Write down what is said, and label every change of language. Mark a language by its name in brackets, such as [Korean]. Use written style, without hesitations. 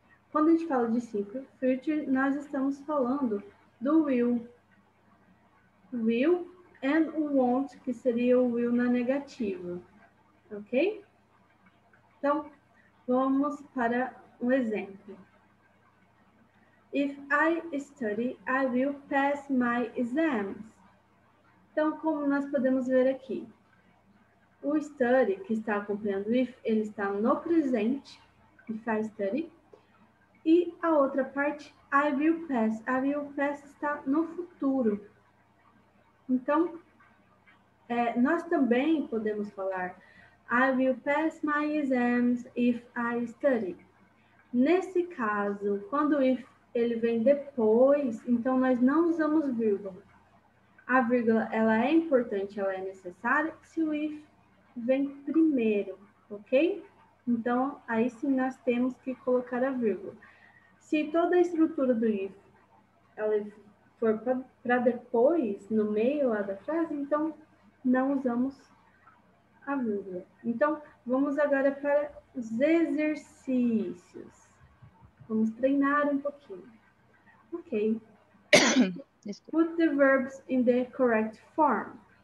[Portuguese] Quando a gente fala de simple future, nós estamos falando do will. [English] Will and won't, [Portuguese] que seria o will na negativa. Ok? Então, vamos para um exemplo. [English] If I study, I will pass my exams. [Portuguese] Então, como nós podemos ver aqui? O study, que está acompanhando o if, ele está no presente. [English] If I study. [Portuguese] E a outra parte, [English] I will pass. [Portuguese] I will pass está no futuro. Então, nós também podemos falar [English] I will pass my exams if I study. [Portuguese] Nesse caso, quando o if ele vem depois, então nós não usamos vírgula. A vírgula, ela é importante, ela é necessária se o if vem primeiro, ok? Então, aí sim nós temos que colocar a vírgula. Se toda a estrutura do if ela for para depois, no meio lá da frase, então não usamos a vírgula. Então, vamos agora para os exercícios. Vamos treinar um pouquinho. Ok. [English] Put the verbs in the correct form.